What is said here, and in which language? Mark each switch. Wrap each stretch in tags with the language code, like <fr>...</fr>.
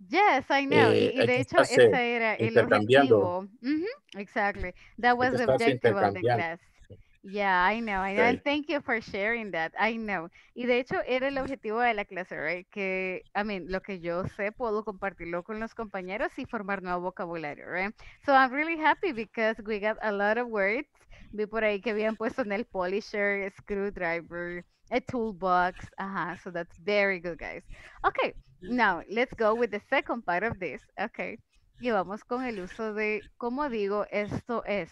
<en>Yes, I know.</en> <es>Y de hecho, ese era el objetivo. Mm-hmm.</es> <en>Exactly. That was the objective of the class. Yeah, I know. I know. Okay. Thank you for sharing that. I know.</en> <es>Y de hecho, era el objetivo de la clase,</es> <en>right?</en> <es>Que,</es> <en>I mean,</en> <es>lo que yo sé, puedo compartirlo con los compañeros y formar nuevo vocabulario,</es> <en>right? So I'm really happy because we got a lot of words.</en> <es>Vi por ahí que habían puesto en el polisher, screwdriver, a toolbox.</es> <en>Ajá, so that's very good, guys. Okay, now let's go with the second part of this. Okay,</en> <es>y vamos con el uso de, ¿cómo digo esto es?</es>